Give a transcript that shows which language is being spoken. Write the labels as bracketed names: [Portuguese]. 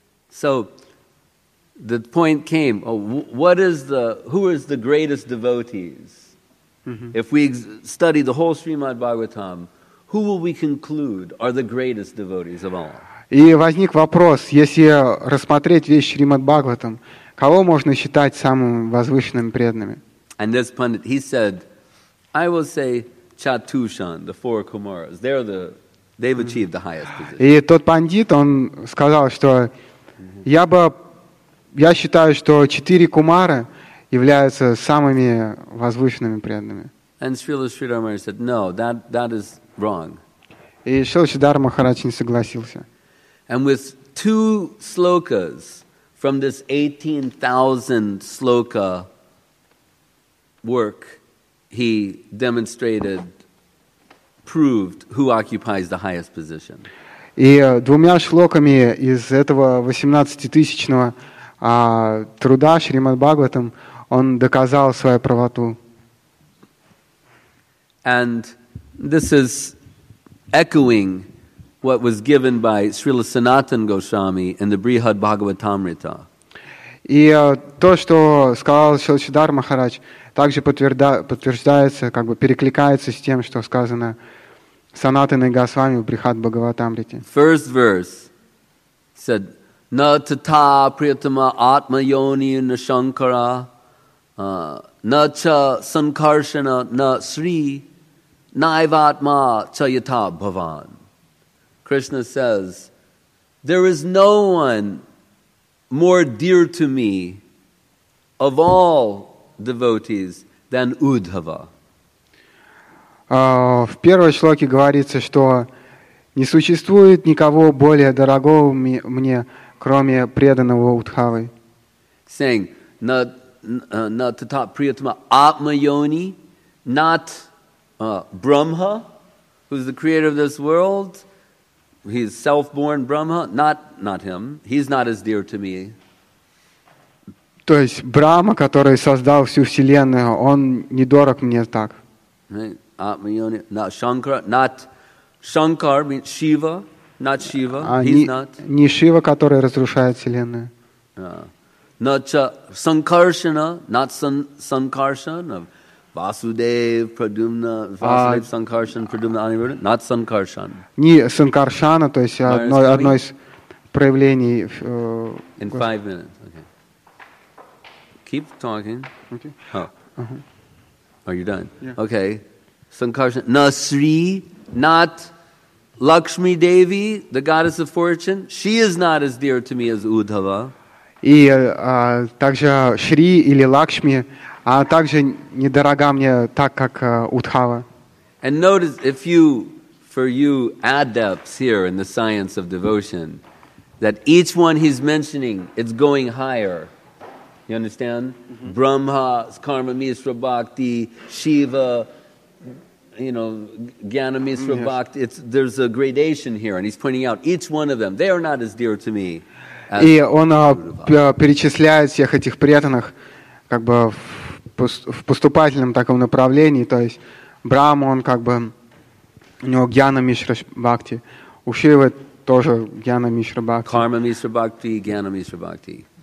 [English] So the point came, who is the greatest devotees? If we study the whole Srimad Bhagavatam, who will we conclude are the greatest devotees of all? [Russian] И возник вопрос, если рассмотреть весь Шримад Бхагаватам, кого можно считать самым возвышенным преданным? [English] And this pundit, he said, I will say Chatushan, the four Kumaras. They've achieved the highest position. [Russian] И тот пандит, он сказал, что я считаю, что четыре Кумары являются самыми возвышенными преданными. [English] And Srila Sridhar Maharaj said, no, that is wrong. [Russian] И Шрила Сридхар Махарадж не согласился. [English] And with two slokas from this 18,000 sloka work, he demonstrated, proved who occupies the highest position. [Russian] И двумя шлоками из этого 18-тысячного труда Шримад Бхагаватам он доказал свою правоту. [English] And this is echoing what was given by Srila Sanatan Goswami in the Brihad Bhagavatamrita. [Russian] И то, что сказал Шрила Сридхар Махарадж, также подтверждается, перекликается с тем, что сказано Санатаной Госвами в Брихад Бхагаватамрите. [English] First verse said, [Sanskrit] Na tata priyatama atma yoni na shankara, na cha sankarshana na sri, naivatma cha yata bhavan. [English] Krishna says, there is no one more dear to me of all devotees than Uddhava. [Russian] В первой шлоке говорится, что не существует никого более дорогого мне, кроме преданного Удхавы. [English] Saying, [Sanskrit] na tata priyatma atma yoni, [English] not Brahma, who's the creator of this world, he's self-born Brahma, not him. He's not as dear to me. [Russian] То есть Брахма, который создал всю вселенную, он не дорог мне так. [English] Атмайони, not Shankara, not Shankar, means Shiva, not Shiva. He's not. [Russian] Не Шива, который разрушает вселенную. [Sanskrit] na cha sankarsana, [English] not sankarsana, Vasudev, Pradumna, Vasudev, Sankarsana, Pradumna, Anivrita, not Sankarsana. [Russian] Не Sankarsana, то есть одно, одно из проявлений... [English] In five minutes, okay. Keep talking. Okay. Oh. Are you done? Yeah. Okay. Sankarsana, na Sri, not Lakshmi Devi, the goddess of fortune, she is not as dear to me as Uddhava. [Russian] И также Шри или Лакшми, а также недорога мне так, как Удхава. [English] And notice, if you, for you adepts here in the science of devotion, that each one he's mentioning, it's going higher. You understand? Mm-hmm. Brahma, Karma Misra Bhakti, Shiva, you know, Gyana Misra Bhakti. It's, there's a gradation here, and he's pointing out each one of them, they are not as dear to me. [Russian] И он перечисляет всех этих преданных как бы в поступательном таком направлении, то есть Брахма, он как бы у него Гьяна Мишра Бхакти, у Шивы тоже Гьяна Мишра Бхакти. Карма Мишра Бхакти, Гьяна Мишра Бхакти.